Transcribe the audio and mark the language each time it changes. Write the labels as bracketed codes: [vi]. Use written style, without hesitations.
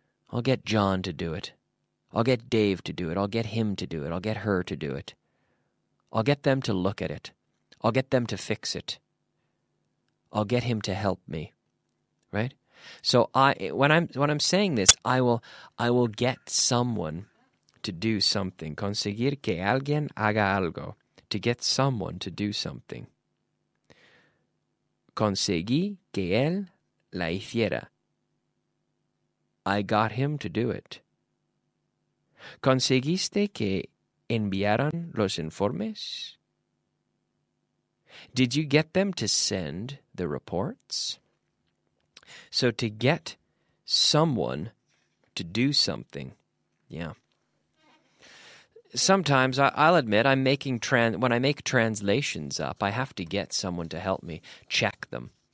[en] I'll get John to do it. I'll get Dave to do it. I'll get him to do it. I'll get her to do it. I'll get them to look at it. I'll get them to fix it. I'll get him to help me, right? So when I'm saying this, I will get someone to do something. [es] Conseguir que alguien haga algo. [en] To get someone to do something. [es] Conseguí que él la hiciera. [en] I got him to do it. [es] ¿Conseguiste que enviaran los informes? [en] Did you get them to send the reports? So to get someone to do something, yeah. Sometimes, I'll admit, when I make translations up, I have to get someone to help me check them.